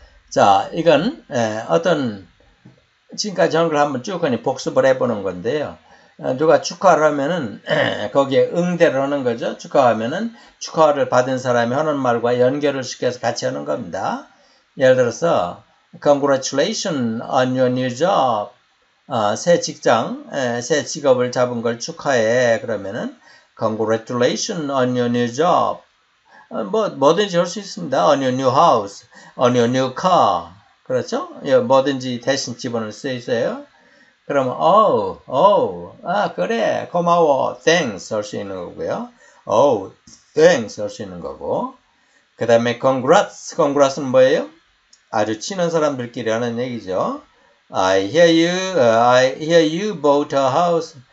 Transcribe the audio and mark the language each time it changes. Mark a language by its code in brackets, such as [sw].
[ko] 자, 이건 어떤 지금까지 한걸 한번 쭉 하니 복습을 해보는 건데요. 누가 축하를 하면은 거기에 응대를 하는 거죠. 축하하면은 축하를 받은 사람이 하는 말과 연결을 시켜서 같이 하는 겁니다. [en] 예를 들어서 Congratulations on your new job. [ko] 새 직장, 새 직업을 잡은 걸 축하해. 그러면은 [en] Congratulations on your new job. [ko] 뭐든지 할수 있습니다. [en] On your new house, on your new car. [ko] 그렇죠? 뭐든지 대신 집어넣을 수 있어요. 그러면, oh, 아, 그래, 고마워, thanks 할수 있는 거고요. oh, thanks 할수 있는 거고. 그 다음에 congrats, congrats는 뭐예요? 아주 친한 사람들끼리 하는 얘기죠. [en] I hear you bought a house.